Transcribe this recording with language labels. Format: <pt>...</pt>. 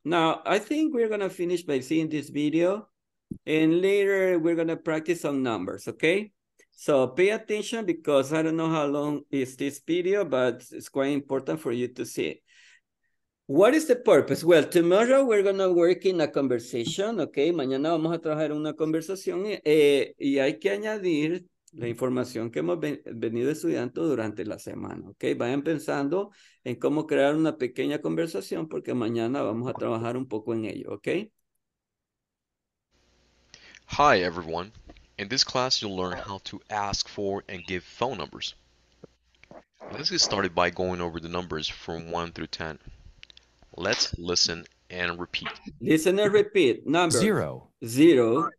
<en>Now, I think we're going to finish by seeing this video. And later, we're going to practice some numbers, okay? So pay attention because I don't know how long is this video, but it's quite important for you to see it. What is the purpose? Well, tomorrow we're going to work in a conversation, okay?</en> <es>Mañana vamos a trabajar una conversación y hay que añadir la información que hemos venido estudiando durante la semana, okay? Vayan pensando en cómo crear una pequeña conversación porque mañana vamos a trabajar un poco en ello, okay?</es> <en>Hi, everyone. In this class, you'll learn how to ask for and give phone numbers. Let's get started by going over the numbers from 1 through 10. Let's listen and repeat. Listen and repeat. Number 0. 0.</en>